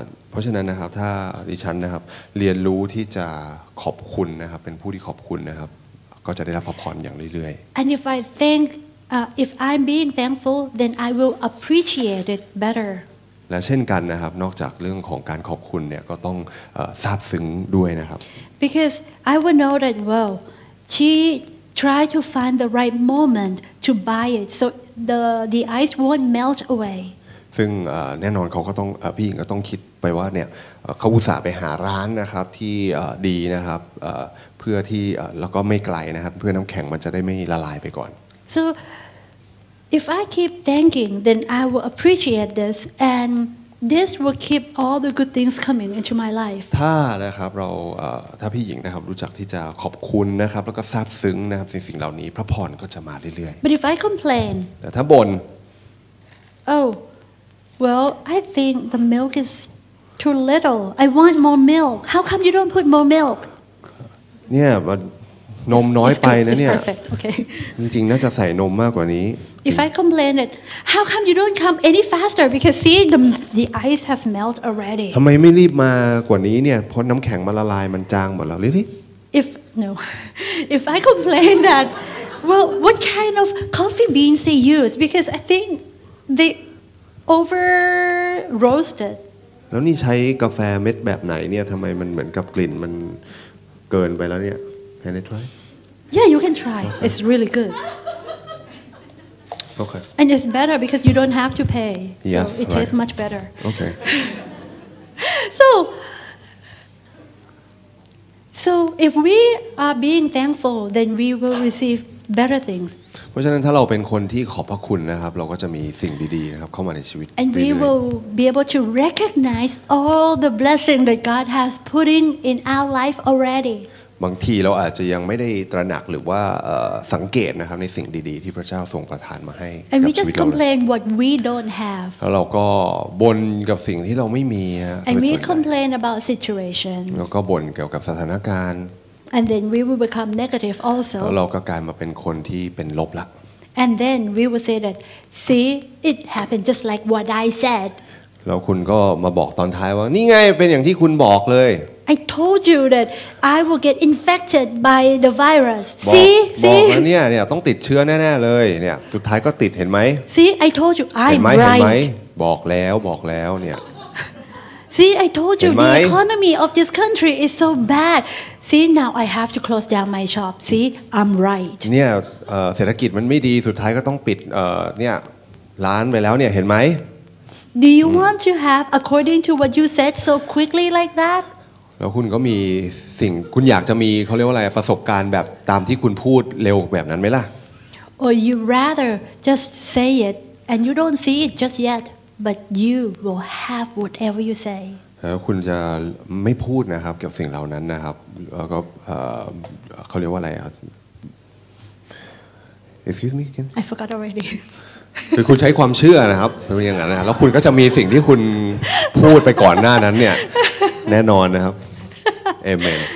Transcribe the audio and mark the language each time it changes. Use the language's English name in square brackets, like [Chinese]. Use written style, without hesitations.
[Thai] เพราะฉะนั้นนะครับถ้าดิฉันนะครับเรียนรู้ที่จะขอบคุณนะครับเป็นผู้ที่ขอบคุณนะครับก็จะได้รับพรอย่างเรื่อย [English] ๆ And if I think if I'm being thankful then I will appreciate it better [Thai] และเช่นกันนะครับนอกจากเรื่องของการขอบคุณเนี่ยก็ต้องซาบซึ้งด้วยนะครับ [English] Because I will know that well she tried to find the right moment to buy it so the ice won't melt away [Thai] ซึ่งแน่นอนเขาก็ต้องพี่หญิงก็ต้องคิดไปว่าเนี่ยเขาอุตส่าห์ไปหาร้านนะครับที่ดีนะครับเพื่อที่แล้วก็ไม่ไกลนะครับเพื่อน้ำแข็งมันจะได้ไม่ละลายไปก่อน [English] So if I keep thanking then I will appreciate this and this will keep all the good things coming into my life [Thai] ถ้านะครับเราถ้าพี่หญิงนะครับรู้จักที่จะขอบคุณนะครับแล้วก็ซาบซึ้งนะครับสิ่งเหล่านี้พระพรก็จะมาเรื่อย [English] ๆ But if I complain [Thai] แต่ถ้าบ่น [English] Oh well I think the milk isToo little. I want more milk. How come you don't put more milk? [Thai] เนี่ยมันนมน้อยไปนะเนี่ย [English] Okay. [Thai] จริงๆน่าจะใส่นมมากกว่านี้ [English] If I complain it, how come you don't come any faster? Because see the ice has melted already. [Thai] ทำไมไม่รีบมากว่านี้เนี่ยเพราะน้ำแข็งมันละลายมันจางหมดแล้วลิ [English] If no. If I complain that, well, what kind of coffee beans they use? Because I think they over roasted. [Thai] แล้วนี่ใช้กาแฟเม็ดแบบไหนเนี่ยทำไมมันเหมือนกับกลิ่นมันเกินไปแล้วเนี่ย [English] Can I try? Yeah, you can try. Okay. It's really good. Okay. And it's better because you don't have to pay. Yes, so it right. tastes much better. Okay. So if we are being thankful, then we will receive better things. [Thai] เพราะฉะนั้นถ้าเราเป็นคนที่ขอบพระคุณนะครับเราก็จะมีสิ่งดีๆนะครับเข้ามาในชีวิต [English] And we will be able to recognize all the blessing that God has put in our life already. [Thai] บางทีเราอาจจะยังไม่ได้ตระหนักหรือว่าสังเกตนะครับในสิ่งดีๆที่พระเจ้าทรงประทานมาให้ [English] And we just complain what we don't have. [Thai] แล้วเราก็บ่นกับสิ่งที่เราไม่มี [English] And we complain about situation. [Thai] แล้วก็บ่นเกี่ยวกับสถานการณ์ [English] And then we will become negative also. [Thai] แล้วเราก็กลายมาเป็นคนที่เป็นลบละ [English] And then we will say that, see, it happened just like what I said. [Thai] แล้วคุณก็มาบอกตอนท้ายว่านี่ไงเป็นอย่างที่คุณบอกเลย [English] I told you that I will get infected by the virus. See? See? [Thai] บอกแล้วเนี่ยเนี่ยต้องติดเชื้อแน่ๆเลยเนี่ยสุดท้ายก็ติดเห็นไหม [English] See? I told you I'm right. [Thai] เห็นไหมบอกแล้วบอกแล้วเนี่ย [English] See? I told you the economy of this country is so bad. See? Now I have to close down my shop. See? I'm right. [Thai] เนี่ยเศรษฐกิจมันไม่ดีสุดท้ายก็ต้องปิดเนี่ยร้านไปแล้วเนี่ยเห็นไหม [English] Do you want to have according to what you said so quickly like that? [Thai] แล้วคุณก็มีสิ่งคุณอยากจะมีเขาเรียกว่าอะไรประสบการณ์แบบตามที่คุณพูดเร็วแบบนั้นไหมล่ะ [English] Or you rather just say it and you don't see it just yet but you will have whatever you say [Thai] แล้วคุณจะไม่พูดนะครับเกี่ยวกับสิ่งเหล่านั้นนะครับแล้วก็เขาเรียกว่าอะไรครับ [English] Excuse me again I forgot already [Thai] คือคุณใช้ความเชื่อนะครับเป็นอย่างนั้นนะแล้วคุณก็จะมีสิ่งที่คุณพูดไปก่อนหน้านั้นเนี่ยแน่นอนนะครับเอเมน